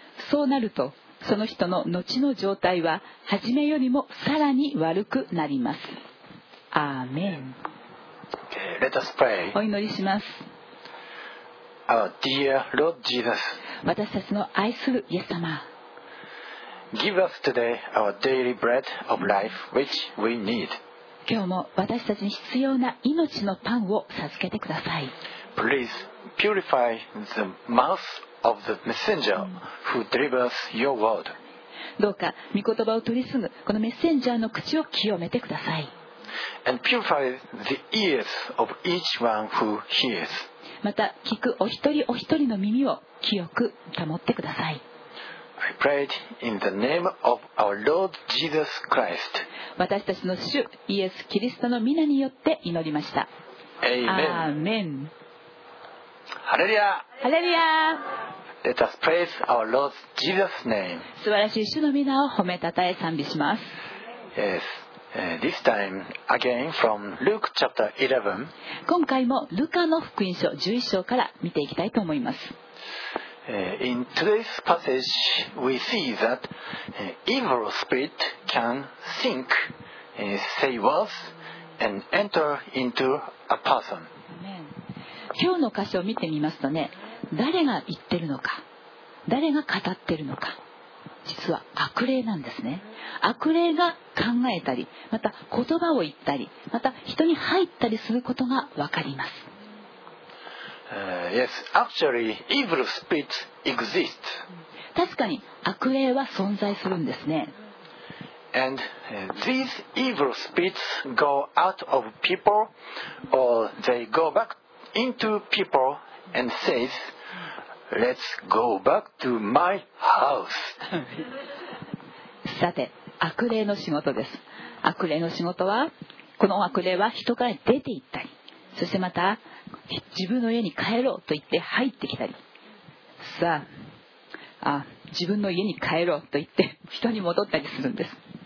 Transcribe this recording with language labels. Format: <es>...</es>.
<ja>そうなるとその人の後の状態は初めよりもさらに悪くなります。アーメン。</ja> <en>Okay, let us pray.</en> <ja>お祈りします。</ja> <en>Our dear Lord Jesus,</en> <ja>私たちの愛するイエス様、</ja> <en>Give us today our daily bread of life which we need.</en> <ja>今日も私たちに必要な命のパンを授けてください。</ja> <en>Please purify the mouthOf the messenger who delivers your word.</en> <ja>どうか御言葉を取り継ぐこのメッセンジャーの口を清めてください。</ja> <en>And purify the ears of each one who hears.</en> <ja>また聞くお一人お一人の耳を清く保ってください。</ja> <en>I prayed in the name of our Lord Jesus Christ.</en> <ja>私たちの主イエス・キリストの御名によって祈りました。</ja> <en>Amen. Amen.</en> <ja>ハレルヤ。ハレルヤ。</ja> <en>Let us praise our Lord Jesus' name.</en> <ja>素晴らしい主の皆を褒めたたえ賛美します。</ja> <en>Yes. This time again from Luke chapter 11.</en> <ja>今回もルカの福音書11章から見ていきたいと思います。</ja> <en>In today's passage, we see that evil spirit can think, say words, and enter into a person.</en> <ja>今日の箇所を見てみますとね、誰が言ってるのか、誰が語ってるのか、実は悪霊なんですね。悪霊が考えたり、また言葉を言ったり、また人に入ったりすることがわかります。</ja> <en>Yes, actually, evil spirits exist.</en> <ja>確かに悪霊は存在するんですね。</ja> <en>And these evil spirits go out of people, or they go backInto people and says, "Let's go back to my house."</en> <ja>さて、悪霊の仕事です。悪霊の仕事は、この悪霊は人から出て行ったり、そしてまた自分の家に帰ろうと言って入ってきたり、さあ、自分の家に帰ろうと言って人に戻ったりするんです。</ja>